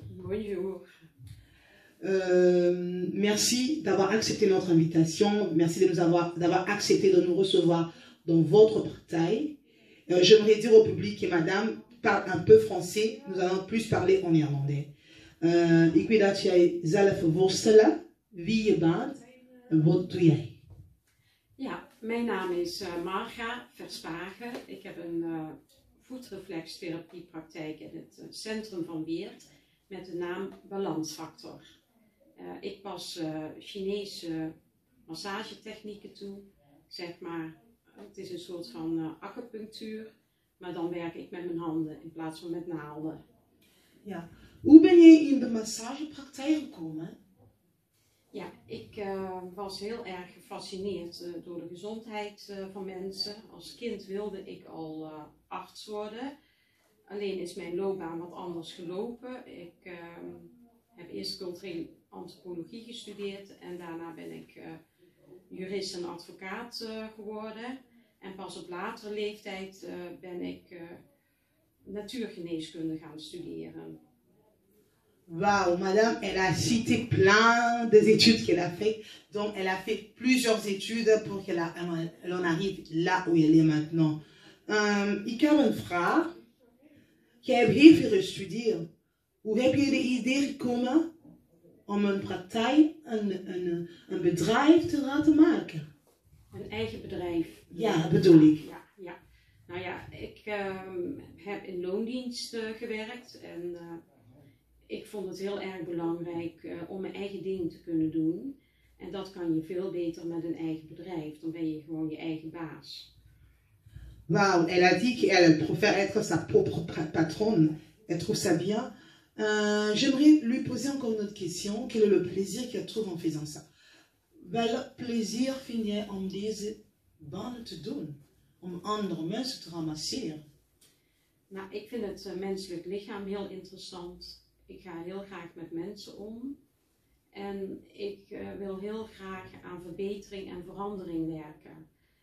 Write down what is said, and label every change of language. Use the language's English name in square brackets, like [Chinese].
[French] Bonjour. Merci d'avoir accepté notre invitation, merci de nous avoir, d'avoir accepté de nous recevoir dans votre partage. J'aimerais dire au public que madame parle un peu français, nous allons plus parler en irlandais. [Dutch] Ik weet dat jij zelf worstelen, wie je bent en wat doe jij? Ja, mijn naam is Marga Verspagen. Ik heb een voetreflextherapiepraktijk in het centrum van Weert met de naam Balansfactor. Ik pas Chinese massagetechnieken toe, zeg maar. Het is een soort van acupunctuur, maar dan werk ik met mijn handen in plaats van met naalden. Ja. Hoe ben je in de massagepraktijk gekomen? Ja, ik was heel erg gefascineerd door de gezondheid van mensen. Als kind wilde ik al arts worden. Alleen is mijn loopbaan wat anders gelopen. Ik heb eerst culturele antropologie gestudeerd en daarna ben ik jurist en advocaat geworden. En pas op latere leeftijd ben ik natuurgeneeskunde gaan studeren. [French] Wauw, madame, elle a cité plein des études qu'elle a fait. Donc, elle a fait plusieurs études pour qu'elle en arrive là où elle est maintenant. [Dutch] Ik heb een vraag. Jij hebt heel veel gestudeerd. Hoe heb je de idee gekomen om een praktijk, een bedrijf te laten maken? Een eigen bedrijf? Ja, bedoel ik. Ja, ja. Nou ja, ik heb in loondienst gewerkt en ik vond het heel erg belangrijk om mijn eigen ding te kunnen doen. En dat kan je veel beter met een eigen bedrijf. Dan ben je gewoon je eigen baas. [French] Wauw, elle a dit qu'elle préfère être sa propre patronne. Elle trouve ça bien. J'aimerais lui poser encore une autre question. Quel est le plaisir qu'elle trouve en faisant ça? [Dutch] Wel [French] plaisir finir [Dutch] om deze banden te doen, om andere mensen te ramasseren. Nou, ik vind het menselijk lichaam heel interessant. Ik ga heel graag met mensen om. En ik wil heel graag aan verbetering en verandering werken.